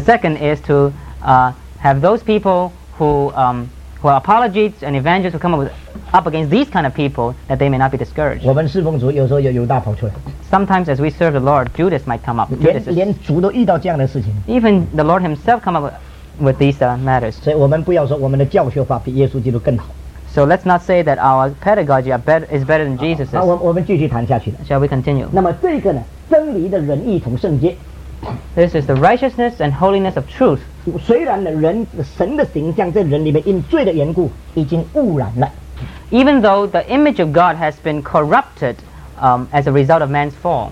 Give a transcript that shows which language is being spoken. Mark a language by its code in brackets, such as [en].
[en] second is to have those people who are apologists and evangelists who come up against these kind of people that they may not be discouraged. [zh] 我们侍奉主有时候有犹大跑出来。 [en] Sometimes as we serve the Lord, Judas might come up. [zh] 连主都遇到这样的事情。 [en] Even the Lord himself come up with these matters. [zh] 所以我们不要说我们的教学法比耶稣基督更好。 [en] So let's not say that our pedagogy is better than Jesus's. [zh] 好，我们继续谈下去。 [en] Shall we continue? [zh] 那么这个呢, 真理的仁义同圣洁。 [en] This is the righteousness and holiness of truth. [zh] 虽然人, 神的形象在人里面因罪的缘故, 已经污染了。 [en] Even though the image of God has been corrupted as a result of man's fall,